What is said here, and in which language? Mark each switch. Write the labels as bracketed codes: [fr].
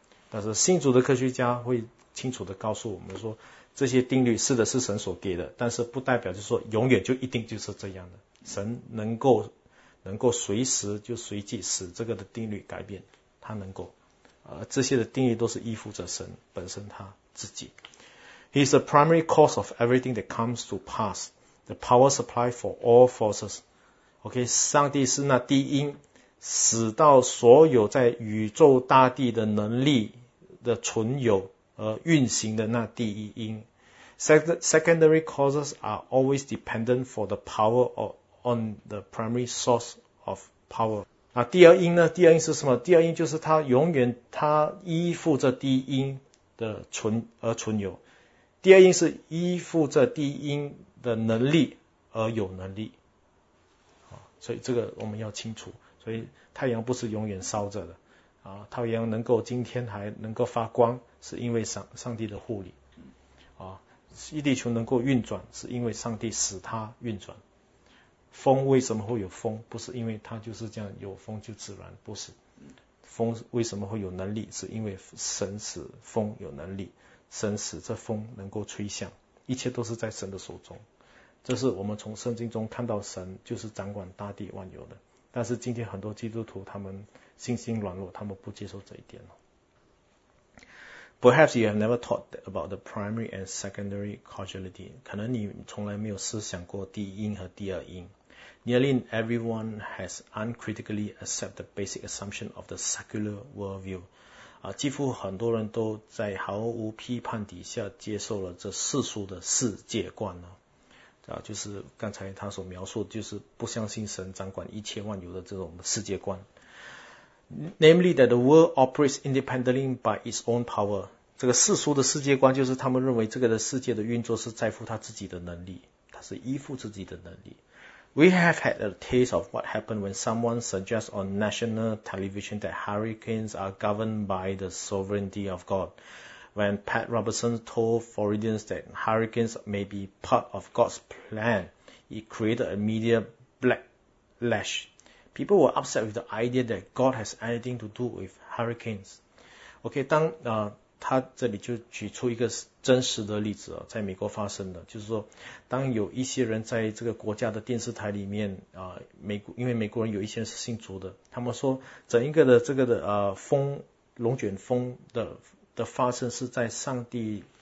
[zh] 但是信主的科学家会清楚地告诉我们说，这些定律是的是神所给的，但是不代表就是说永远就一定就是这样的。神能够随时就随即使这个的定律改变，他能够，这些的定律都是依附着神本身他自己。 [en] He is the primary cause of everything that comes to pass, the power supply for all forces. [zh] OK, 上帝是那第一，使到所有在宇宙大地的能力的存有而运行的那第一因。 [en] Secondary causes are always dependent for the power on the primary source of power. [zh] 第二因呢？第二因是什么？第二因就是它永远它依附着第一因的存有。第二因是依附着第一因的能力而有能力。所以这个我们要清楚。所以太阳不是永远烧着的。太阳能够今天还能够发光，是因为上帝的护理。地球能够运转，是因为上帝使它运转。风为什么会有风？不是因为它就是这样有风就自然，不是。风为什么会有能力？是因为神使风有能力，神使这风能够吹向，一切都是在神的手中。这是我们从圣经中看到神就是掌管大地万有的。但是今天很多基督徒他们信心软弱，他们不接受这一点。 [en] Perhaps you have never thought about the primary and secondary causality. [zh] 可能你从来没有思想过第一因和第二因。 [en] Nearly everyone has uncritically accepted the basic assumption of the secular worldview. [zh] 几乎很多人都在毫无批判底下接受了这世俗的世界观呢。就是刚才他所描述，就是不相信神掌管一切万有的这种世界观。 [en] Namely that the world operates independently by its own power. [zh] 这个世俗的世界观就是他们认为这个的世界的运作是在乎他自己的能力，他是依附自己的能力。 [en] We have had a taste of what happened when someone suggests on national television that hurricanes are governed by the sovereignty of God. When Pat Robertson told Floridians that hurricanes may be part of God's plan, it created a media backlash. People were upset with the idea that God has anything to do with hurricanes. [zh] OK, 当他这里就举出一个真实的例子，在美国发生的，就是说当有一些人在这个国家的电视台里面，因为美国人有一些人是信主的，他们说整一个的这个的龙卷风的发生是在上帝